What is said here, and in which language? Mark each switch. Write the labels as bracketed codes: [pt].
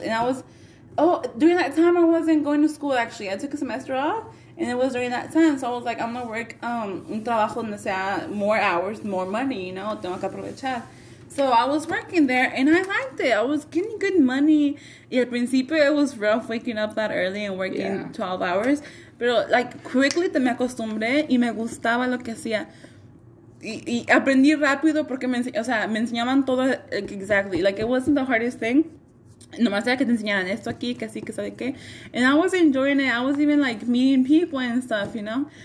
[en] And I was, during that time I wasn't going to school, actually. I took a semester off. And it was during that time, so I was like, I'm going to work [es] un trabajo donde sea [en] more hours, more money, you know, [es] tengo que aprovechar. [en] So I was working there, and I liked it. I was getting good money. [es] Y al principio, [en] it was rough waking up that early and working 12 hours. [es] Pero, [en] like, quickly [es] te me acostumbré y me gustaba lo que hacía. Y aprendí rápido porque me enseñaban todo, [en] like, exactly. Like, it wasn't the hardest thing. [es] Nomás era que te enseñaran esto aquí, que así, que sabe qué. [en] And I was enjoying it. I was even, like, meeting people and stuff, you know.